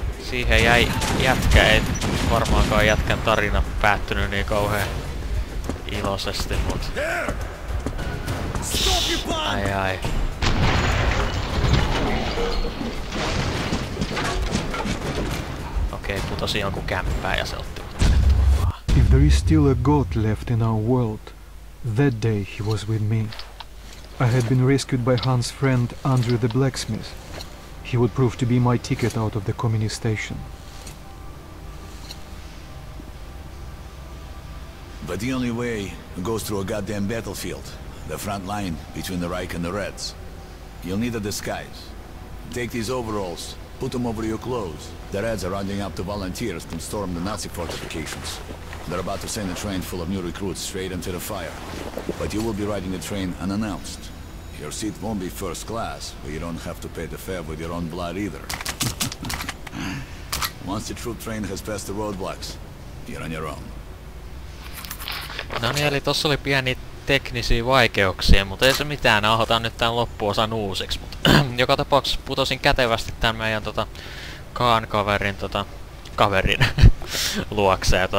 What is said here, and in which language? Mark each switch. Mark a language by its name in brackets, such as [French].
[Finnish] Siihen jäi jätkä, ei varmaankaan jätkän tarina päättynyt niin kauhean iloisesti, mut... Ai ai. Okei, putosi jonkun kämppään ja se otti [English] If there is still a god left in our world, that day he was with me. I had been rescued by Hans' friend, Andrew the Blacksmith. He would prove to be my ticket out of the communist station. But the only way goes through a goddamn battlefield, the front line between the Reich and the Reds. You'll need a disguise. Take these overalls, put them over your clothes. The Reds are rounding up the volunteers to storm the Nazi fortifications. They're about to send a train full of new recruits straight into the fire. But you will be riding the train unannounced. Your seat won't be first class, but you don't have to pay the fare with your own blood either. Once the troop train has passed the roadblocks, you're on your own. [Finnish] No niin, eli tossa oli pieni teknisiä vaikeuksia, mutta ei se mitään. Nauhoitan nyt tän loppuosan uusiksi, mutta joka tapauksessa putosin kätevästi tän meidän Kaan kaverin kaverin luokse.